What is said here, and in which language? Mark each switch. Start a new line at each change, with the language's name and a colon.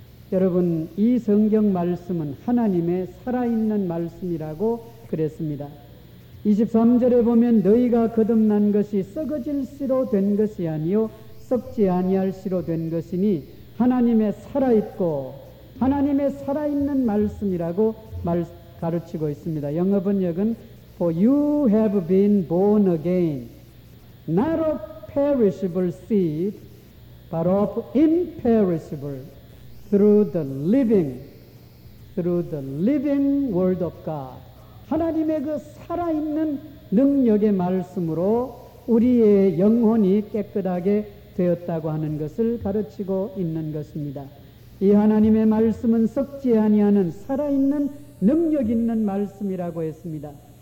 Korean: 여러분, 이 성경 말씀은 하나님의 살아있는 말씀이라고 그랬습니다. 23절에 보면 너희가 거듭난 것이 썩어질시로 된 것이 아니요 썩지 아니할시로 된 것이니 하나님의 살아있고 하나님의 살아있는 말씀이라고 가르치고 있습니다. 영어 번역은
English: For you have been born again, not of perishable seed, but of imperishable, through the living word of God.
Korean: 하나님의 그 살아있는 능력의 말씀으로 우리의 영혼이 깨끗하게 되었다고 하는 것을 가르치고 있는 것입니다. 이 하나님의 말씀은 썩지 아니하는 살아있는 능력 있는 말씀이라고 했습니다.